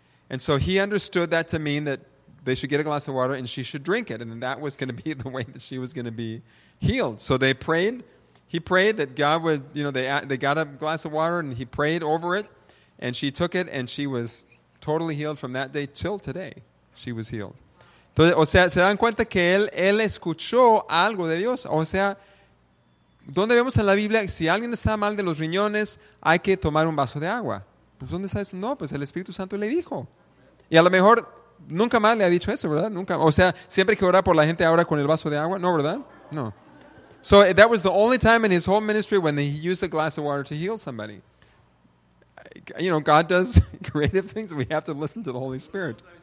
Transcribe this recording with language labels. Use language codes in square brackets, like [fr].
[en] And so he understood that to mean that they should get a glass of water, and she should drink it. And that was going to be the way that she was going to be healed. So they prayed. He prayed that God would, you know, they got a glass of water, and he prayed over it. And she took it, and she was totally healed from that day till today. She was healed. [es] Entonces, o sea, se dan cuenta que él escuchó algo de Dios. O sea, ¿dónde vemos en la Biblia si alguien está mal de los riñones, hay que tomar un vaso de agua? Pues, ¿dónde está eso? No, pues el Espíritu Santo le dijo. Y a lo mejor nunca más le ha dicho eso, ¿verdad? Nunca. O sea, siempre que ora por la gente ahora con el vaso de agua, ¿no, verdad? No. [en] So that was the only time in his whole ministry when he used a glass of water to heal somebody. You know, God does creative things. We have to listen to the Holy Spirit.